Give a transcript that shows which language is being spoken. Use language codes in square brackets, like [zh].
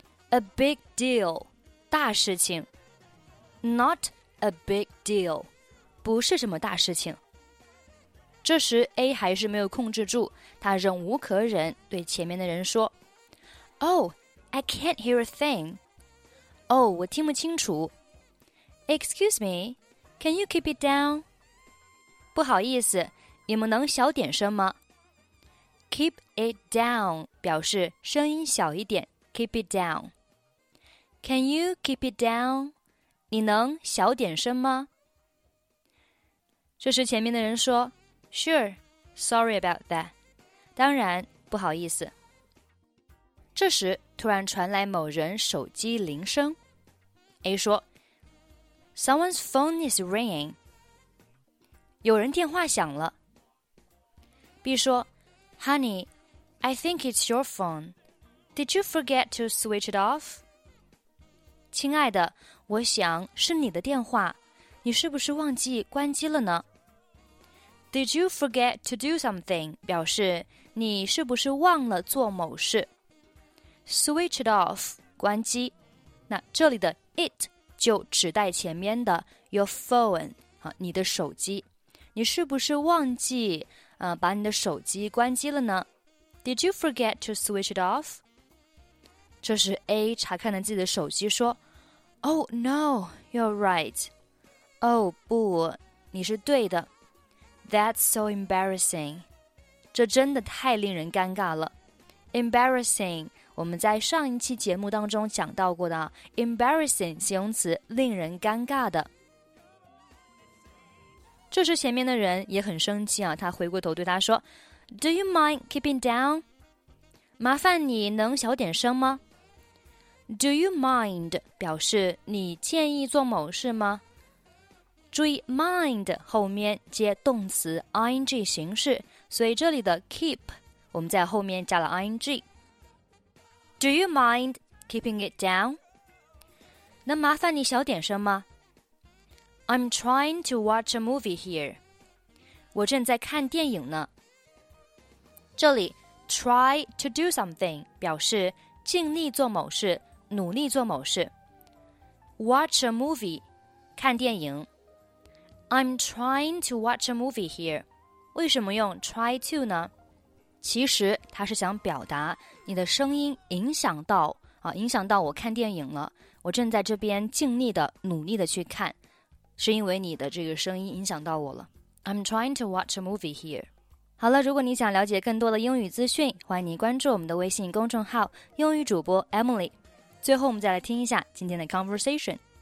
[en] A big deal. [zh] 大事情。 [en] Not a big deal. [zh] 不是什么大事情。这时 A 还是没有控制住他忍无可忍对前面的人说 [en] Oh,I can't hear a thing. [zh] Oh, 我听不清楚。 [en] Excuse me, can you keep it down? [zh] 不好意思，你们能小点声吗 ？ [en] Keep it down [zh] 表示声音小一点。 [en] Keep it down. Can you keep it down? [zh] 你能小点声吗？这时前面的人说 ： [en] “Sure, sorry about that. [zh] 当然，不好意思。” 这时突然传来某人手机铃声。 [en] A 说 Someone's phone is ringing. [zh] 有人电话响了。 [en] B 说 Honey, I think it's your phone. Did you forget to switch it off? [zh] 亲爱的，我想是你的电话。你是不是忘记关机了呢？ [en] Did you forget to do something? [zh] 表示你是不是忘了做某事。 [en] Switch it off, [zh] 关机。那这里的 it 就指代前面的 your phone,、啊、你的手机。你是不是忘记、把你的手机关机了呢？ [en] Did you forget to switch it off? [zh] 这时 A 查看了自己的手机说 [en] Oh no, you're right. [zh] Oh, 不，你是对的。 [en] That's so embarrassing. [zh] 这真的太令人尴尬了。 Embarrassing, 我们在上一期节目当中讲到过的 embarrassing 形容词，令人尴尬的。这时前面的人也很生气啊，他回过头对他说 [en] Do you mind keeping down? [zh] 麻烦你能小点声吗？ [en] Do you mind [zh] 表示你介意做某事吗？注意 mind 后面接动词 ing 形式，所以这里的 keep 我们在后面加了 ing。 [en] Do you mind keeping it down? [zh] 能麻烦你小点声吗？ [en] I'm trying to watch a movie here. [zh] 我正在看电影呢。这里 [en] try to do something [zh] 表示尽力做某事，努力做某事。 [en] Watch a movie [zh] 看电影。 [en] I'm trying to watch a movie here. [zh] 为什么用 try to 呢？其实他是想表达你的声音影响到、影响到我看电影了。我正在这边尽力的努力的去看，是因为你的这个声音影响到我了。 [en] I'm trying to watch a movie here. [zh] 好了，如果你想了解更多的英语资讯，欢迎你关注我们的微信公众号英语主播 Emily。最后我们再来听一下今天的 conversation。